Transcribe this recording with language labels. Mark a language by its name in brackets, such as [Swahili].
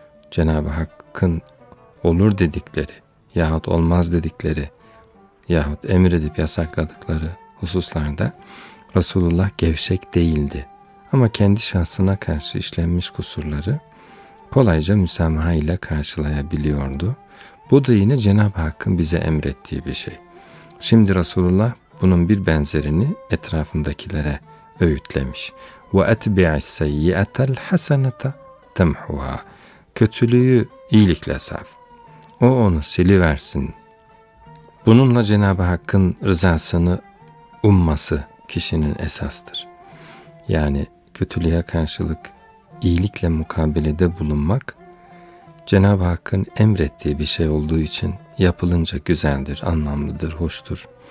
[Turkish] Cenab-ı Hakk'ın olur dedikleri yahut olmaz dedikleri yahut emredip yasakladıkları hususlarda Resulullah gevşek değildi. Ama kendi şahsına karşı işlenmiş kusurları kolayca müsamaha ile karşılayabiliyordu. Bu da yine Cenab-ı Hakk'ın bize emrettiği bir şey. Şimdi Resulullah bunun bir benzerini etrafındakilere öğütlemiş. [Arabic] وَاَتْبِعَ السَّيِّئَةَ الْحَسَنَةَ تَمْحُوَا [Turkish] Kötülüğü iyilikle saf. O onu siliversin. Bununla Cenab-ı Hakk'ın rızasını umması kişinin esastır. Yani kötülüğe karşılık iyilikle mukabelede bulunmak, Cenab-ı Hakk'ın emrettiği bir şey olduğu için yapılınca güzeldir, anlamlıdır, hoştur.